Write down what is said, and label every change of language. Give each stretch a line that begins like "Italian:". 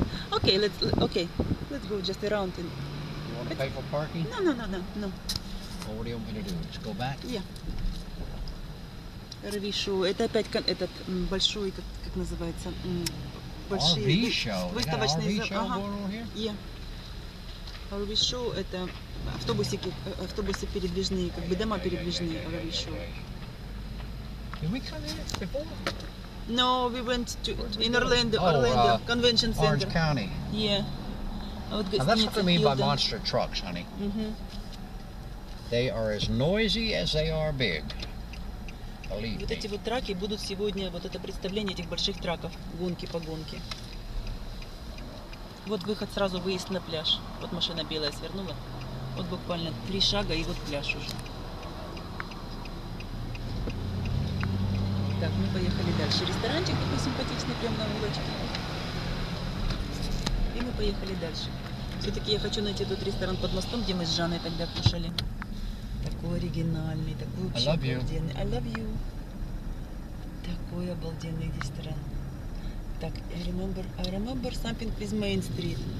English: Okay, let's go just around. You wanna pay for parking? No. Well, what do you want me to do? Just go back? Yeah. RV show.
Russian: Это опять этот большой, как называется, большие выставочные. RV show.
English: Yeah. RV show.
Russian: Это автобусы передвижные, как бы дома передвижные.
English: RV show. Did we come here before? No, we went to Orlando Convention Center. Orange County. Yeah. And that's what I mean by monster trucks, honey. Mm-hmm. They are as noisy as they are big. Believe me.
Russian: Вот эти вот траки будут сегодня, вот это представление этих больших траков, гонки по гонке. Вот выход, сразу выезд на пляж. Вот машина белая свернула. Вот буквально три шага, и вот пляж уже. Так, мы поехали дальше. Ресторанчик такой симпатичный, прямо на улочке. И мы поехали дальше. Все-таки я хочу найти тот ресторан под мостом, где мы с Жанной тогда кушали. Такой оригинальный, такой вообще обалденный.
English: I love you.
Russian: Такой обалденный ресторан.
English: Так, I remember something with Main Street.